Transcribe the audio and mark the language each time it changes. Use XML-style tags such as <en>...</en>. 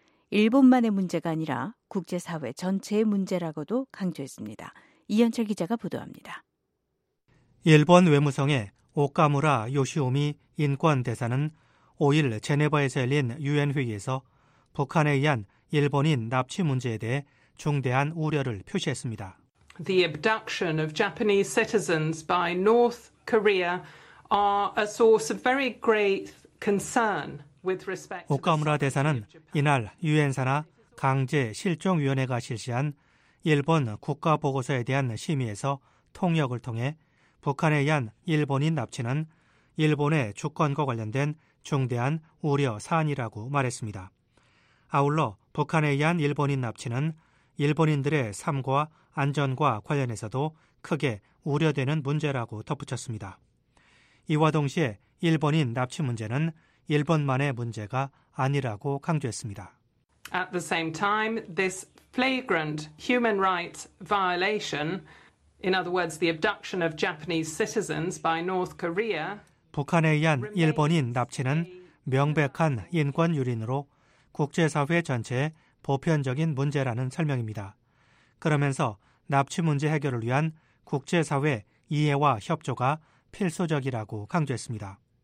<ko>일본만의 문제가 아니라 국제사회 전체의 문제라고도 강조했습니다. 이현철 기자가 보도합니다. 일본 외무성의 오카무라 요시오미 인권대사는 5일 제네바에서 열린 유엔 회의에서 북한에 의한 일본인 납치 문제에 대해 중대한 우려를 표시했습니다.</ko> <en>The abduction of Japanese citizens by North Korea are a source of very great concern with respect.</en> <ko>오카무라 대사는 이날 유엔사나 강제 실종위원회가 실시한 일본 국가 보고서에 대한 심의에서 통역을 통해 북한에 의한 일본인 납치는 일본의 주권과 관련된 중대한 우려 사안이라고 말했습니다. 아울러 북한에 의한 일본인 납치는 일본인들의 삶과 안전과 관련해서도 크게 우려되는 문제라고 덧붙였습니다. 이와 동시에 일본인 납치 문제는 일본만의 문제가 아니라고 강조했습니다.</ko> <en>At the same time, this flagrant human rights violation, in other words, the abduction of Japanese citizens by North Korea,</en> <ko>북한에 의한 일본인 납치는 명백한 인권 유린으로 국제사회 전체에 보편적인 문제라는 설명입니다. 그러면서 납치 문제 해결을 위한 국제사회 이해와 협조가 필수적이라고 강조했습니다.</ko>